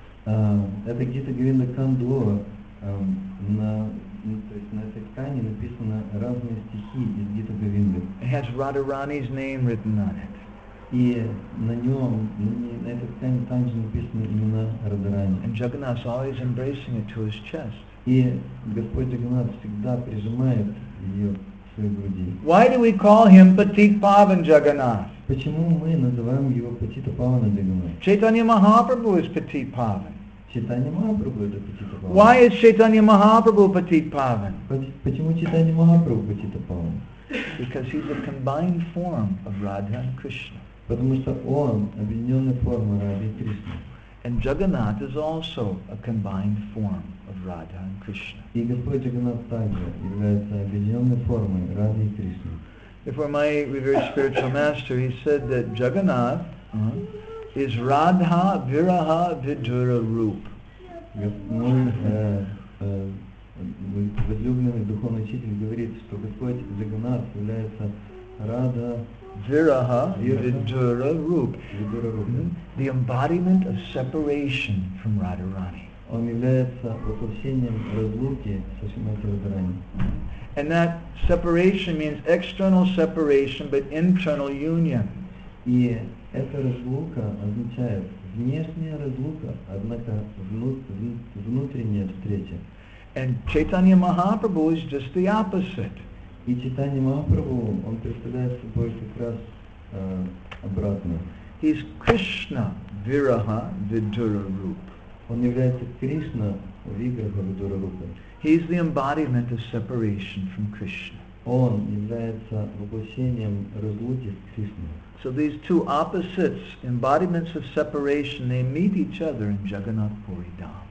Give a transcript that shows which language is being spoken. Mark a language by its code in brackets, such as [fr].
[ru] Это Гита Говинда Кандуа, на этой ткани написаны разные стихи из Гита Говинды. [en] It has Radharani's name written on it. [ru] И на нем, на этой ткани также написаны имена Радхарани. [en] And Jagannath always embracing it to his chest. [ru] И Господь Джагнатх всегда прижимает ее к своей груди. [en] Why do we call him Patita Pavan Jagannath? [ru] Почему мы называем его Патита Павана Джагнатх? [en] Чайтанья Махапрабху is Patita Pavan. [ru] Чайтанья Махапрабху это Патита Павана. [en] Why is Чайтанья Махапрабху Патита Павана? [ru] Почему Чайтанья Махапрабху Патита Павана? [en] Because he's a combined form of Radha and Krishna. [ru] Потому что он объединенная форма Радхи и Кришны. [en] And Jagannath is also a combined form of Radha and Krishna. [ru] И Господь Джагнатх также является объединенной формой Радхи и Кришны. [en] Before my revered spiritual master, he said that Jagannath is Radha Viraha Vidura Rup. [ru] Мой возлюбленный духовный учитель говорит, что Господь Джагнатх является Радха [en] Viraha Vidura Rup. The embodiment of separation from Radharani. [ru] Он является воплощением разлуки со Шримати Радхарани. [en] And that separation means external separation but internal union. [ru] И эта разлука означает внешняя разлука, однако внутренняя встреча. [en] And Chaitanya Mahaprabhu is just the opposite. [ru] И Чайтанья Махапрабху, он представляет собой как раз обратно. [en] He's Krishna Viraha Vidura Rup. [ru] Он является Кришна Виграха Vidura Rupa. [en] He's the embodiment of separation from Krishna. [ru] Он является воплощением разлуки с Кришной. [en] So these two opposites, embodiments of separation, they meet each other in Jagannath Puri Dham.